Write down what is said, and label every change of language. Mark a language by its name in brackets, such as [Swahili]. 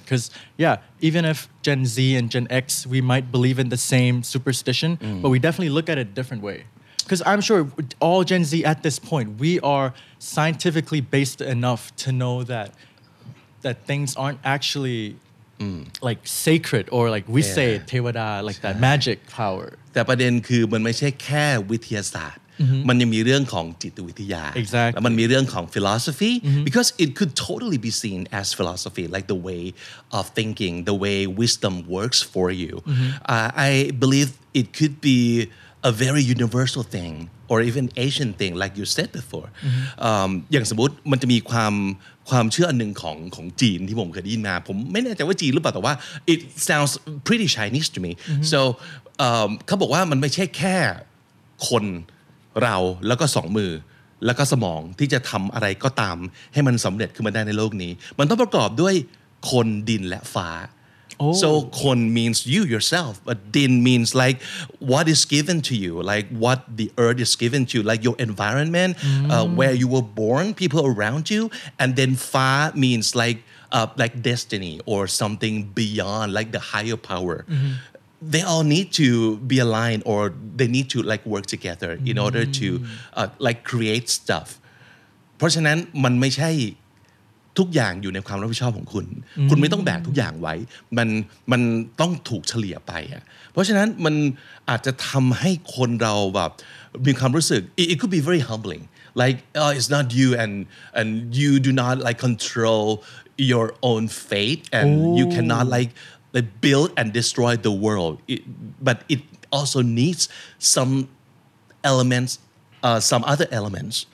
[English] Because yeah, even if Gen Z and Gen X, we might believe in the same superstition, but we definitely look at it a different way. Because I'm sure all Gen Z at this point, we are scientifically based enough to know that things aren't actually like sacred, or like we say เทวดา, like that magic power. [Thai] แต่ประเด็นคือมันไม่ใช่แค่วิทยาศาสตร์ มันยังมีเรื่องของจิตวิทยา [English] exactly. [Thai] แล้วมันมีเรื่องของ [English] philosophy because it could totally be seen as philosophy, like the way of thinking, the way wisdom works for you. I believe it could beA very universal thing, or even Asian thing, like you said before. [Thai] อย่างสมมติมันจะมีความเชื่ออันหนึ่งของจีนที่ผมเคยได้ยินมาผมไม่แน่ใจว่าจีนหรือเปล่าแต่ว่า [English] it sounds pretty Chinese to me. [Thai] So เขาบอกว่ามันไม่ใช่แค่คนเราแล้วก็สองมือแล้วก็สมองที่จะทำอะไรก็ตามให้มันสำเร็จขึ้นมาได้ในโลกนี้มันต้องประกอบด้วยคนดินและฟ้า [English] Oh. So kon means you yourself, but din means like what is given to you, like what the earth is given to you, like your environment, where you were born, people around you, and then fa means like destiny or something beyond, like the higher power. They all need to be aligned, or they need to like work together in order to like create stuff. [Thai] เพราะฉะนั้นมันไม่ใช่ทุกอย่างอยู่ในความรับผิดชอบของคุณคุณไม่ต้องแบกทุกอย่างไว้มันต้องถูกเฉลี่ยไปอ่ะเพราะฉะนั้นมันอาจจะทำให้คนเราแบบมีความรู้สึก [English] it could be very humbling like it's not you and you do not like control your own fate and you cannot like build and destroy the world but it also needs some elements some other elements